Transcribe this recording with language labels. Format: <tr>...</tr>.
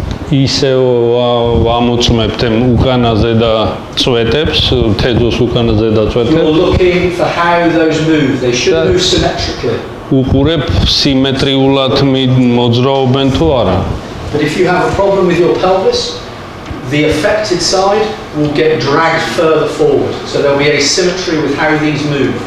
<ka>ისე ვამოწმებთ უკანაზე და წვეტებს, თეძოს უკანაზე და წვეტებს.</ka> <en>You're looking for how those move. They should move symmetrically.</en> <ka>უყურებ სიმეტრიულად მოძრაობენ თუ არა.</ka> <en>But if you have a problem with your pelvis, the affected side will get dragged further forward. So there'll be asymmetry with how these move.</en>